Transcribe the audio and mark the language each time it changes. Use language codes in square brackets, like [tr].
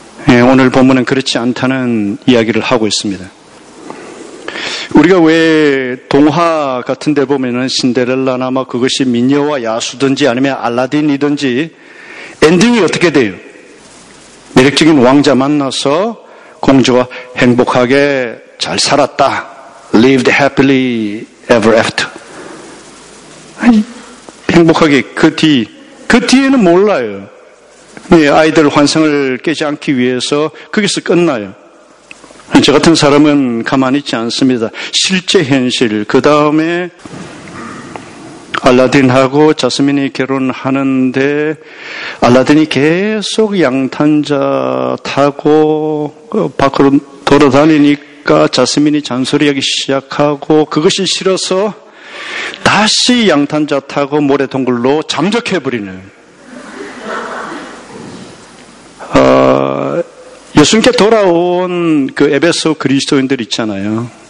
[ko] 예, 오늘 본문은 그렇지 않다는 이야기를 하고 있습니다. 우리가 왜 동화 같은 데 보면은 신데렐라나 뭐 그것이 미녀와 야수든지 아니면 알라딘이든지 엔딩이 어떻게 돼요? 매력적인 왕자 만나서 공주와 행복하게 잘 살았다. [en] Lived happily ever after. [ko] 행복하게 그 뒤에는 몰라요. 네, 아이들 환상을 깨지 않기 위해서 거기서 끝나요. 저 같은 사람은 가만히 있지 않습니다. 실제 현실, 그 다음에 알라딘하고 자스민이 결혼하는데 알라딘이 계속 양탄자 타고 밖으로 돌아다니니까 자스민이 잔소리하기 시작하고 그것이 싫어서 다시 양탄자 타고 모래동굴로 잠적해버리는 예수님께 돌아온 그 에베소 그리스도인들 있잖아요.